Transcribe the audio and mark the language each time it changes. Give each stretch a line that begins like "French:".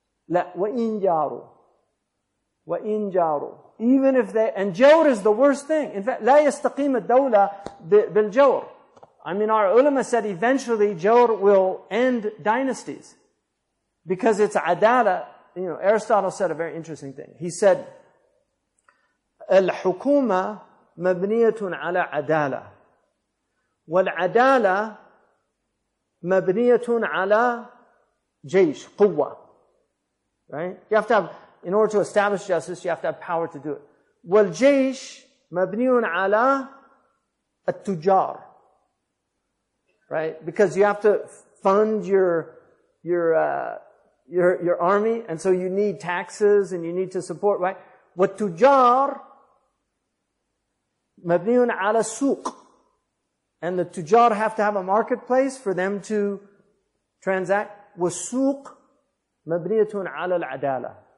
Arabic: لَا وَإِنْ جَارُوا وَإِنْ جَارُوا.
English: Even if they, and jawr is the worst thing. In fact,
Arabic: لَا يَسْتَقِيمَ الدَّوْلَ بِالْجَوْر.
English: I mean, our ulama said eventually jawr will end dynasties. Because it's adala. You know, Aristotle said a very interesting thing. He said,
Arabic: الحكومة مبنية على عدالة والعدالة مبنية على جيش قوة.
English: Right? You have to have, in order to establish justice, you have to have power to do it.
Arabic: والجيش مبني على التجار.
English: Right? Because you have to fund your army, and so you need taxes and you need to support, right?
Arabic: والتجار مبني على السوق.
English: And the tujar have to have a marketplace for them to transact.
Arabic: والسوق مبنية على العدالة.